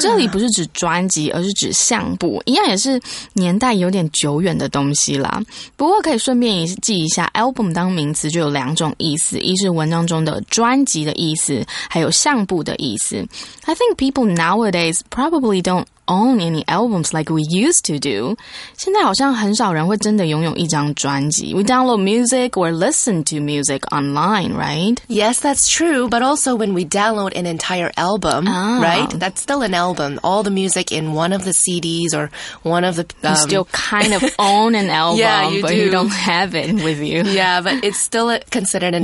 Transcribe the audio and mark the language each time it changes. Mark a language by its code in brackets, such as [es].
[zh] 这里不是指专辑，而是指相簿，一样也是年代有点久远的东西啦。不过可以顺便记一下 ，album 当名词就有两种意思，一是文章中的专辑的意思，还有相簿的意思。 [en] I think people nowadays probably don't own any albums like we used to do. [zh] 现在好像很少人会真的拥有一张专辑。 [en] We download music or listen to music online, right? Yes, that's true. But also when we download an entire album,、 oh. right? That's still an album. All the music in one of the CDs or one of the...、 you still kind of own an album, yeah, you but do. You don't have it with you. Yeah, but it's still considered an、